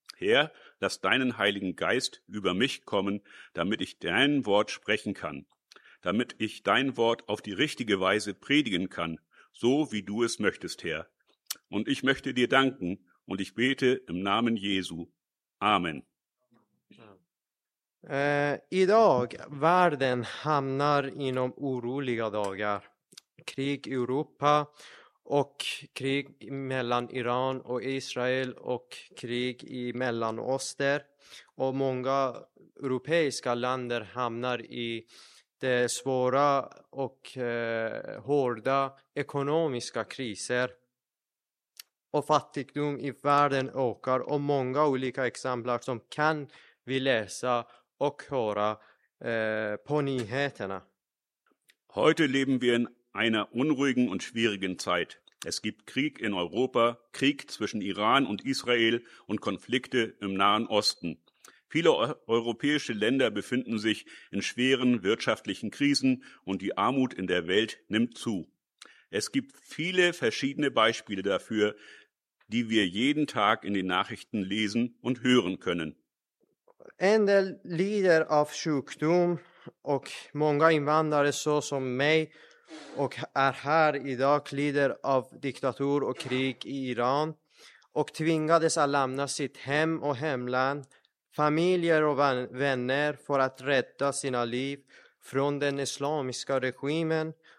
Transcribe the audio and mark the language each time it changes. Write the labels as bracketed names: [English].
[German] Herr, lass deinen Heiligen Geist über mich kommen, damit ich dein Wort sprechen kann, damit ich dein Wort auf die richtige Weise predigen kann, so wie du es möchtest, Herr. Und ich möchte dir danken und ich bete im Namen Jesu. Amen. [Swedish] Idag världen hamnar inom oroliga dagar. Krig i Europa och krig mellan Iran och Israel och krig i Mellanöster. Och många europeiska länder hamnar i det svåra och hårda ekonomiska kriser. Och fattigdom i världen ökar och många olika exempel som kan vi läsa och höra på nyheterna. [German] Heute leben wir in einer unruhigen und schwierigen Zeit. Es gibt Krieg in Europa, Krieg zwischen Iran und Israel und Konflikte im Nahen Osten. Viele europäische Länder befinden sich in schweren wirtschaftlichen Krisen und die Armut in der Welt nimmt zu. Es gibt viele verschiedene Beispiele dafür, die wir jeden Tag in den Nachrichten lesen und hören können. [Swedish] En del lider av sjukdom och många invandrare så som mig och är här idag lider av diktatur och krig i Iran och tvingades att lämna sitt hem och hemland, familjer och vänner för att rädda sina liv från den islamiska regimen